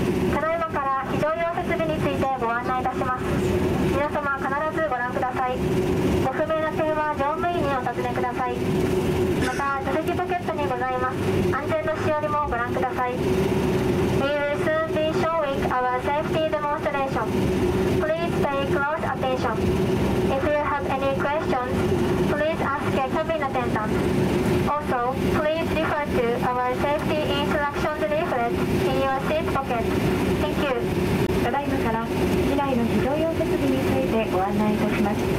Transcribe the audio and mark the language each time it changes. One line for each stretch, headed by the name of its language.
Japanese: ただいまから非常用設備についてご案内いたします。皆様必ずご覧ください。ご不明な点は乗務員にお尋ねください。また座席ポケットにございます安全のしおりもご覧ください。
English: We will soon be showing our safety demonstration. Please pay close attention. If you have any questions, please ask a cabin attendant. Also, please refer to our safety instructions leaflet in your seat pocket. Thank you.
Japanese: ただいまから機内の非常用設備についてご案内いたします。